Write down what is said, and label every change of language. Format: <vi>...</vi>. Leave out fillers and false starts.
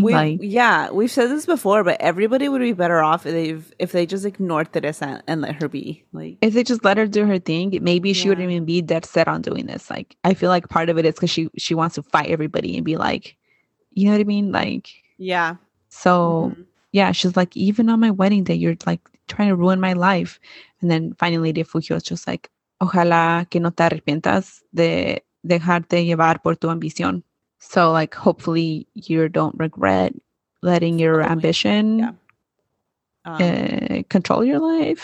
<en>We've said this before, but everybody would be better off if they just ignored Teresa and let her be. Like, if they just let her do her thing, maybe she wouldn't even be dead set on doing this. Like, I feel like part of it is because she wants to fight everybody and be like, you know what I mean? Like, yeah. So, yeah, she's like, even on my wedding day, you're, like, trying to ruin my life. And then finally, Lady Fuhyo is just like,</en> <es>ojalá que no te arrepientas de dejarte llevar por tu ambición.</es> <en>So, like, hopefully you don't regret letting your ambition control your life.</en>